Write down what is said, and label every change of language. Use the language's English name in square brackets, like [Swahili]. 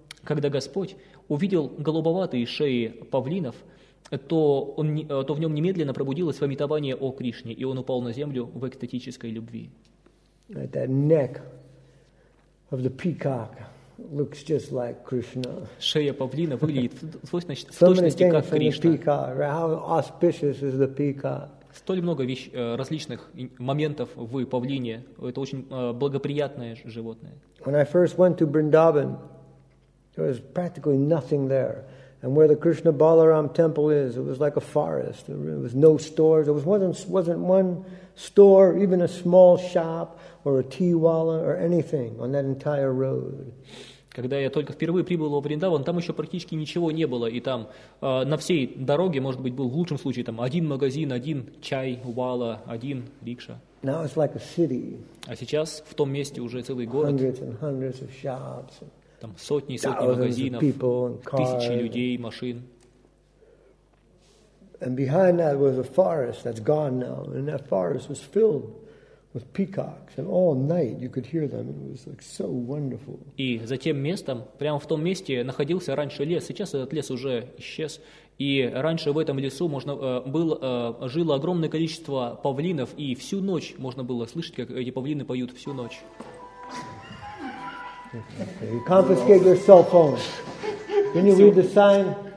[Russian] Когда Господь увидел голубоватые шеи павлинов, то в нем немедленно пробудилось памятование о Кришне, и он упал на землю в экстатической любви. [English] That neck of the peacock looks just like Krishna. [Russian] Шея павлина выглядит в точности как Кришна. [English] Right? How auspicious is the peacock? [Russian] Столь много различных моментов в павлине. Это очень благоприятное животное. [English] When I first went to Vrindavan, there was practically nothing there. And where the Krishna Balaram temple is, it was like a forest. There was no stores. There wasn't one store, even a small shop or a tiwala or anything on that entire road. [Russian] Когда я только впервые прибыл во Вриндаван, там еще практически ничего не было, и там на всей дороге, может быть, был в лучшем случае там один магазин, один чай, вала, один рикша. [English] Now it's like a city. [Russian] А сейчас в том месте уже целый город. [English] Hundreds and hundreds of shops. [Russian] Там сотни и сотни магазинов, тысячи людей, машин. [English] And behind that was a forest that's gone now, and that forest was filled with peacocks, and all night you could hear them. It was like so wonderful. [Russian] И за тем местом, прямо в том месте, находился раньше лес. Сейчас этот лес уже исчез. И раньше в этом лесу жило огромное количество павлинов, и всю ночь можно было слышать, как эти павлины поют всю ночь. [English] Okay. You confiscate your cell phone. Can you read the sign?